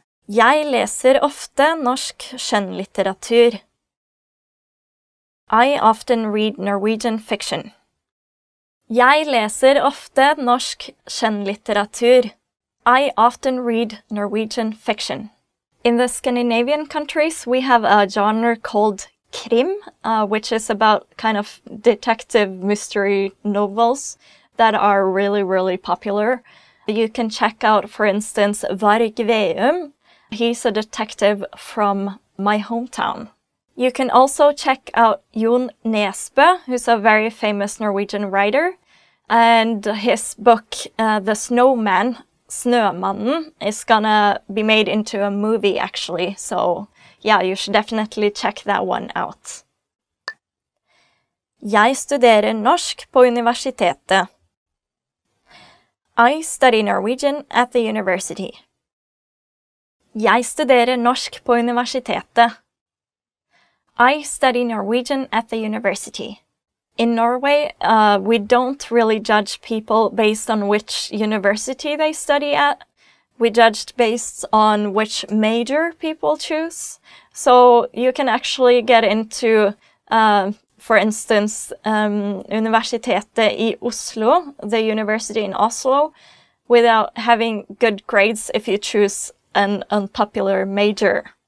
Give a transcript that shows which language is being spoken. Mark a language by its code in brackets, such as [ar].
[no] Jeg leser ofte norsk skjønnlitteratur. [en] I often read Norwegian fiction. [no] Jeg leser ofte norsk skjønnlitteratur. [en] I often read Norwegian fiction. In the Scandinavian countries, we have a genre called Krim, which is about kind of detective mystery novels that are really, really popular. You can check out, for instance, Varg Veum. He's a detective from my hometown. You can also check out Jon Nesbø, who's a very famous Norwegian writer, and his book, The Snowman, Snømannen, is gonna be made into a movie, actually, so... Yeah, you should definitely check that one out. [no] Jeg studerer norsk på universitetet. [en] I study Norwegian at the university. [no] Jeg studerer norsk på universitetet. [en] I study Norwegian at the university. In Norway, we don't really judge people based on which university they study at. We judged based on which major people choose. So you can actually get into, for instance, Universitetet I Oslo, the university in Oslo, without having good grades if you choose an unpopular major.